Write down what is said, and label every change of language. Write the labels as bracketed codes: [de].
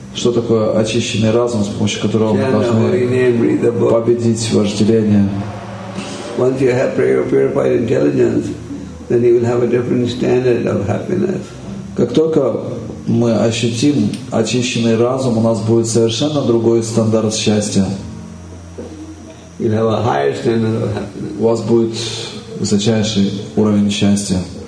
[ru] Что такое очищенный разум, с помощью которого мы должны победить вожделение? [en] Once you have purified intelligence, then you will have a different standard of happiness. [ru] Как только мы ощутим очищенный разум, у нас будет совершенно другой стандарт счастья. [en] You'll have a higher standard of happiness. [ru] У вас будет высочайший уровень счастья.